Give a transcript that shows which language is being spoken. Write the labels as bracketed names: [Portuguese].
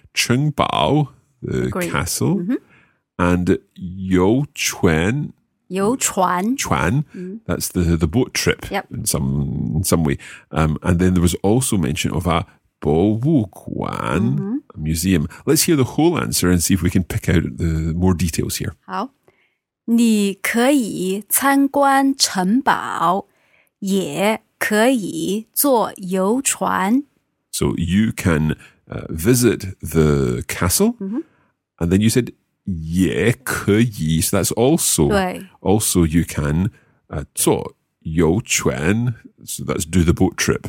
[English] 城堡, the castle, and 游船. [Chinese] 游船. [English] 船, that's the boat trip in some way. And then there was also mention of a 博物馆, a museum. Let's hear the whole answer and see if we can pick out the more details here. [Chinese] 好。你可以参观城堡，也可以坐游船。 [English] So you can visit the castle, and then you said 也可以, so that's also, also you can 坐游船, so that's do the boat trip.